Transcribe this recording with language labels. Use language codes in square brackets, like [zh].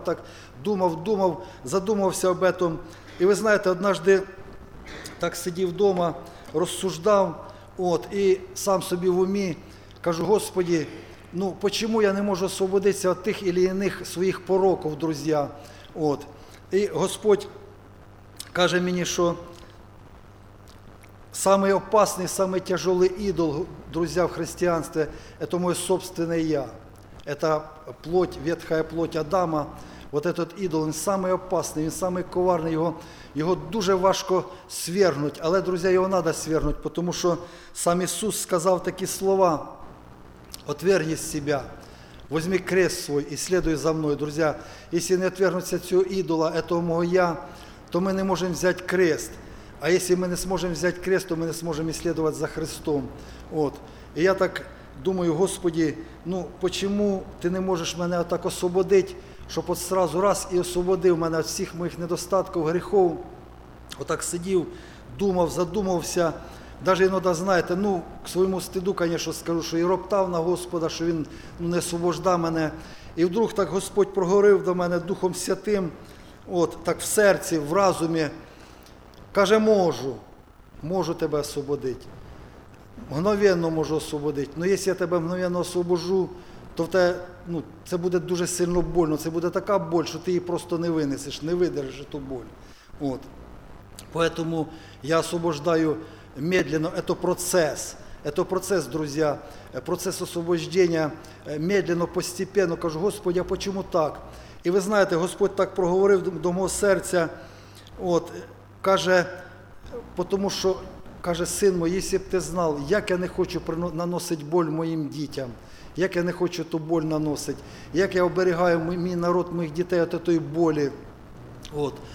[uk] Так думав, задумався [ru] об этом. [uk] І ви знаєте, [ru] однажды [uk] так сидів вдома, розсуждав, от, і сам собі в умі кажу: Господи, ну чому я не можу освободитися від тих [ru] или иных [uk] своїх пороків, друзі? От. І Господь каже мені, що [ru] самый опасный, самый тяжелый идол, друзья, в христианстве, это мой собственный я. Это плоть, ветхая плоть Адама. Вот этот идол, он самый опасный, он самый коварный. [uk] Его дуже важко свергнуть. Але, [ru] друзья, его надо свергнуть, потому что сам Иисус сказал такие слова: отвергни себя, возьми крест свой и следуй за мной, друзья. Если не отвергнуться этого идола, этого моего я, то мы не можем взять крест. А если мы не сможем взять крест, то мы не сможем исследовать за Христом. Вот. И я так думаю: Господи, ну почему ты не можешь меня так освободить, чтобы вот сразу раз и освободил меня от всех моих недостатков, грехов. Вот так сидел, думал, задумался. Даже иногда, знаете, ну, к своему стыду, конечно, скажу, что и роптал на Господа, что Он ну, не освобождал меня. И вдруг так Господь проговорил до меня Духом Святым, вот, так в сердце, в разуме. [uk] Каже: можу тебе освободити, [ru] мгновенно [uk] можу освободити. Но якщо я тебе [ru] мгновенно освобожу, [uk] то в те, ну, це буде дуже сильно больно, це буде така боль, що ти її просто не винесеш, не видержиш ту боль. От. [ru] Поэтому я освобождаю медленно, это процес, [uk] друзі, [ru] процес освобождения, медленно, постепенно. Кажу: Господи, а почему так? [uk] І ви знаєте, Господь так проговорив до мого серця, от, каже, тому що, каже: [ru] син мой, [uk] якщо б ти знав, як я не хочу наносити боль моїм дітям, як я не хочу ту боль наносити, як я оберігаю мій народ, моїх дітей від тої болі. От.